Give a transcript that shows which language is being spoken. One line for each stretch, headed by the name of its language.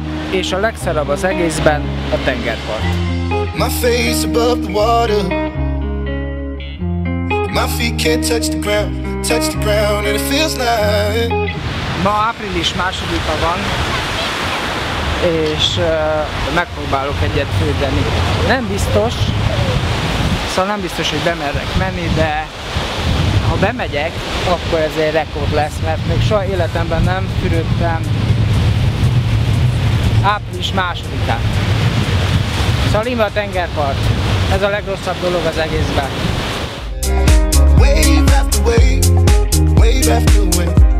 Hungarian: És a legszarabb az egészben a tengerpart.
English: My face above the water. My feet can't touch the ground and it feels like.
Hungarian: Ma április 2-a van, és megpróbálok egyet fürdeni. Nem biztos, szóval nem biztos, hogy bemerek menni, de ha bemegyek, akkor ez egy rekord lesz, mert még soha életemben nem fürdöttem április 2-án. Szóval imba a tengerpart. Ez a legrosszabb dolog az egészben.
English: Wave after wave, wave after wave.